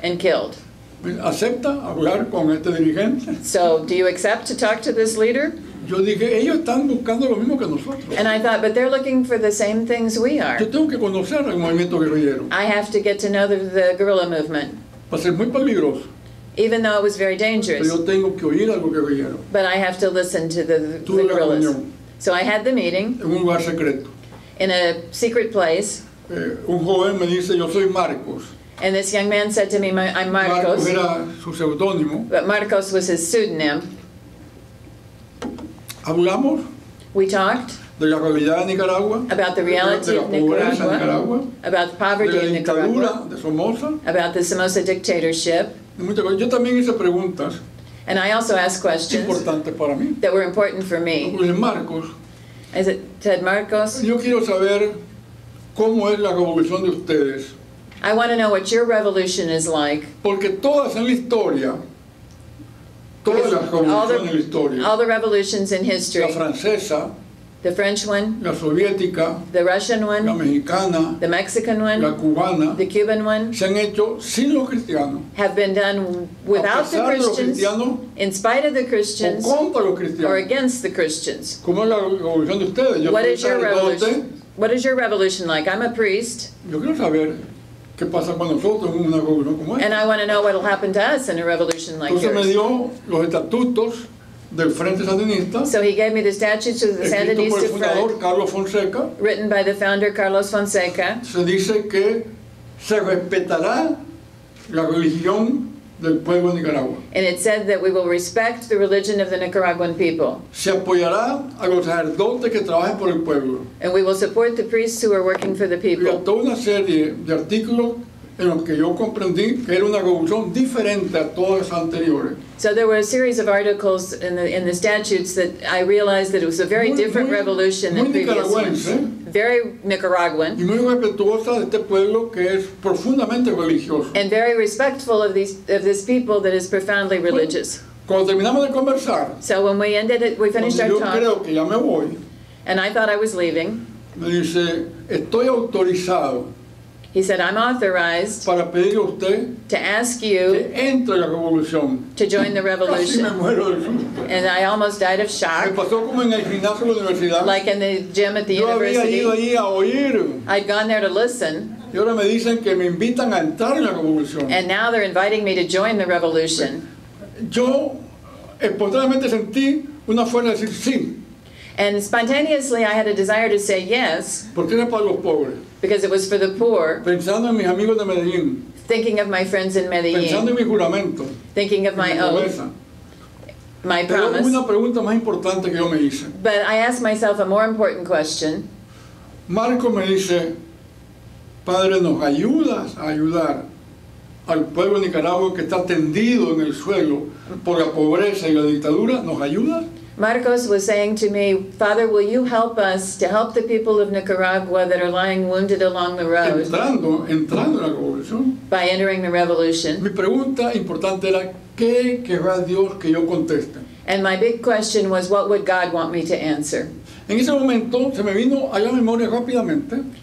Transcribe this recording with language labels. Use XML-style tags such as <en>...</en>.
<en>And killed.</en> <es>¿Acepta hablar con este dirigente?</es> <en>So, do you accept to talk to this leader?</en> <es>Yo dije, ellos están buscando lo mismo que nosotros.</es> <en>And I thought, but they're looking for the same things we are.</en> <es>Yo tengo que conocer el movimiento guerrillero.</es> <en>I have to get to know the guerrilla movement.</en> <es>Va a ser muy peligroso.</es> <en>Even though it was very dangerous.</en> <es>Pero yo tengo que oír algo que vieron.</es> <en>But I have to listen to the guerrillas.</en> <es>Reunión.</es> <en>So I had the meeting.</en> <es>En un lugar secreto.</es> <en>In a secret place.</en> <es>Un joven me dice, yo soy Marcos.</es> <en>And this young man said to me, I'm Marcos.</en> <es>Marcos era su pseudónimo.</es> <en>But Marcos was his pseudonym.</en> <es>Hablamos.</es> <en>We talked.</en> <es>De la realidad de Nicaragua.</es> <en>About the reality</en> <es>de la pobreza</es> <en>of Nicaragua, Nicaragua. About the poverty</en> <es>de la dictadura</es> <en>of Nicaragua.</en> <es>De Somoza.</es> <en>About the Somoza dictatorship.</en> <es>Yo también hice preguntas.</es> <en>And I also asked questions</en> <es>importantes para mí.</es> <en>That were important for me.</en> <es>Marcos,</es> <en>I said, Ted Marcos,</en> <es>yo quiero saber cómo es la revolución de ustedes.</es> <en>I want to know what your revolution is like.</en> <es>Porque todas en la historia, todas las revoluciones en la historia,</es> <en>all the revolutions in history,</en> <es>la francesa,</es> <en>the French one,</en> <es>la soviética,</es> <en>the Russian one,</en> <es>la mexicana,</es> <en>the Mexican one,</en> <es>la cubana,</es> <en>the Cuban one,</en> <es>se han hecho sin los cristianos,</es> <en>have been done without</en> <es>a pesar</es> <en>the Christians,</en> <es>de los cristianos,</es> <en>in spite of the Christians,</en> <es>o contra los cristianos,</es> <en>or against the Christians.</en> <es>¿Cómo es la revolución de ustedes?</es> <en>What is your revolution? What is your revolution like? I'm a priest.</en> <es>Yo quiero saber qué pasa con nosotros en una revolución como esta.</es> <en>And I want to know what will happen to us in a revolution like</en> <es>entonces</es> <en>yours.</en> <es>Me dio los estatutos del Frente Sandinista.</es> <en>So he gave me the statutes of the Sandinista</en> <es>Front. Escrito por el fundador Carlos Fonseca.</es> <en>Written by the founder Carlos Fonseca.</en> <es>Se dice que se respetará la religión del pueblo de Nicaragua.</es> <en>And it said that we will respect the religion of the Nicaraguan people.</en> <es>Se apoyará a los sacerdotes que trabajan por el pueblo.</es> <en>And we will support the priests who are working for the people.</en> <es>Y toda una serie de artículos en los que yo comprendí que era una revolución diferente a todas las anteriores.</es> <en>So there were a series of articles in the statutes that I realized that it was a very</en> <es>muy,</es> <en>different</en> <es>muy,</es> <en>revolution</en> <es>muy</es> <en>than previous ones. Very Nicaraguan.</en> <es>Y muy respetuosa de este pueblo que es profundamente religioso.</es> <en>And very respectful of this people that is profoundly religious.</en> <es>Bueno, cuando terminamos de conversar.</es> <en>So when we ended it, we finished our</en> <es>yo</es> <en>talk.</en> <es>Yo creo que ya me voy.</es> <en>And I thought I was leaving.</en> <es>Me dice, estoy autorizado.</es> <en>He said, I'm authorized</en> <es>para pedir a usted</es> <en>to ask you</en> <es>entre la revolución.</es> <en>To join the revolution.</en> <es>Casi me muero de susto.</es> <en>And I almost died of shock.</en> <es>Me pasó como en el gimnasio de la universidad.</es> <en>Like in the gym at the</en> <es>yo</es> <en>university.</en> <es>Había ido ahí a oír.</es> <en>I'd gone there to listen.</en> <es>Y ahora me dicen que me invitan a entrar en la revolución.</es> <en>And now they're inviting me to join the revolution.</en> <es>Yo espontáneamente sentí una fuerza de decir sí.</es> <en>And spontaneously I had a desire to say yes.</en> <es>Porque era para los pobres.</es> <en>Because it was for the poor.</en> <es>Pensando en mis amigos de Medellín.</es> <en>Thinking of my friends in Medellín.</en> <es>Pensando en mi juramento.</es> <en>Thinking of my oath. My promise.</en> <es>Pero una pregunta más importante que yo me hice.</es> <en>But I asked myself a more important question.</en> <es>Marco me dice, Padre, ¿nos ayudas a ayudar al pueblo Nicaragua que está tendido en el suelo por la pobreza y la dictadura, nos ayuda?</es> <en>Marcos was saying to me, Father, will you help us to help the people of Nicaragua that are lying wounded along the road?</en> <es>Entrando en la revolución.</es> <en>By entering the revolution.</en> <es>Mi pregunta importante era, ¿qué querrá Dios que yo conteste?</es> <en>And my big question was, what would God want me to answer?</en> <es>En ese momento se me vino a la memoria rápidamente.</es>